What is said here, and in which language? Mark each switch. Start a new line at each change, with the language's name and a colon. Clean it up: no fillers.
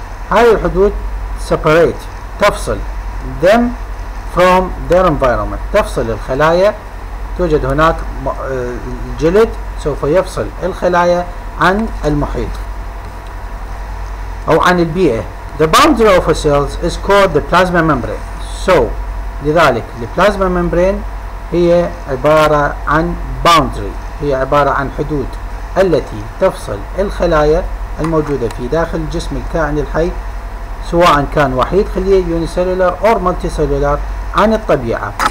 Arabic: هذه الحدود separate تفصل
English: them from their environment
Arabic: تفصل الخلايا توجد هناك الجلد سوف يفصل الخلايا عن المحيط أو عن البيئة.
English: The boundary of a cells is called the plasma membrane.
Arabic: So لذلك the plasma membrane هي عبارة عن boundary هي عبارة عن حدود التي تفصل الخلايا الموجودة في داخل جسم الكائن الحي سواء كان وحيد خلية
English: unicellular or multicellular
Arabic: عن الطبيعة.